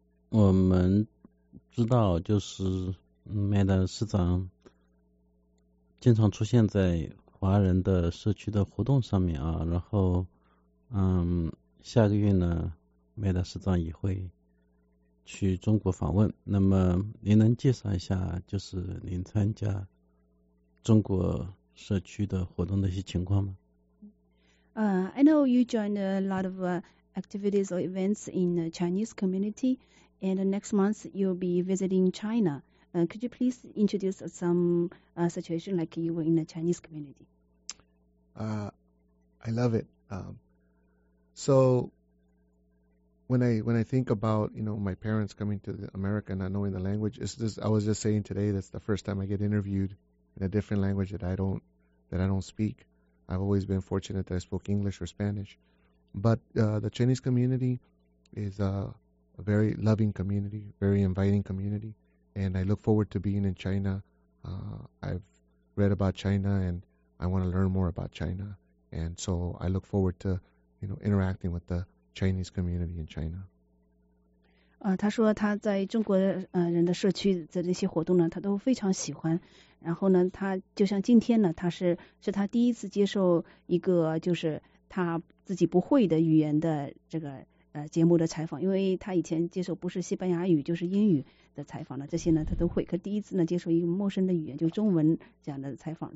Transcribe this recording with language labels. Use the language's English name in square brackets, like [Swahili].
[Chinese] 我们知道就是麦德市长经常出现在华人的社区的活动上面啊，然后下个月呢麦德市长也会去中国访问。那么您能介绍一下就是您参加中国社区的活动的一些情况吗？ [English] I know you joined a lot of activities or events in the Chinese community, and next month you'll be visiting China. Could you please introduce some situation like you were in the Chinese community? I love it. So when I think about, you know, my parents coming to America and not knowing the language, I was just saying today that's the first time I get interviewed in a different language that I don't speak. I've always been fortunate that I spoke English or Spanish. But the Chinese community is a very loving community, very inviting community. And I look forward to being in China. I've read about China and I want to learn more about China. And so I look forward to, you know, interacting with the Chinese community in China. [Chinese] 他说他在中国人的社区的这些活动呢，他都非常喜欢。然后呢，他就像今天呢，他是他第一次接受一个就是他自己不会的语言的这个节目的采访，因为他以前接受不是西班牙语就是英语的采访了，这些呢他都会。可第一次呢接受一个陌生的语言，就中文这样的采访。